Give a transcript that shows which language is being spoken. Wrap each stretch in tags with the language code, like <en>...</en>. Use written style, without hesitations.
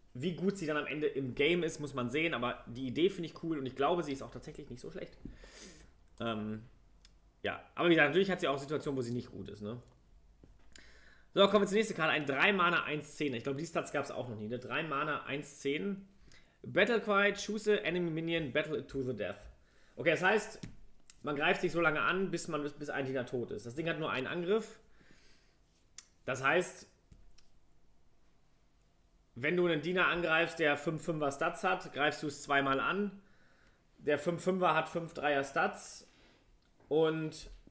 <de>Wie gut sie dann am Ende im Game ist, muss man sehen. Aber die Idee finde ich cool und ich glaube, sie ist auch tatsächlich nicht so schlecht. Ja, aber wie gesagt, natürlich hat sie auch Situationen, wo sie nicht gut ist, ne? So, kommen wir zur nächsten Karte. Ein 3-Mana 1-10. Ich glaube, die Stats gab es auch noch nie. Ne? 3-Mana 1-10.</de> <en>Battlecry, choose a enemy minion, battle it to the death.</en> <de>Okay, das heißt, man greift sich so lange an, bis ein Diener tot ist. Das Ding hat nur einen Angriff. Das heißt, wenn du einen Diener angreifst, der 5-5er Stats hat, greifst du es zweimal an. Der 5-5er hat 5-3er Stats. Und</de>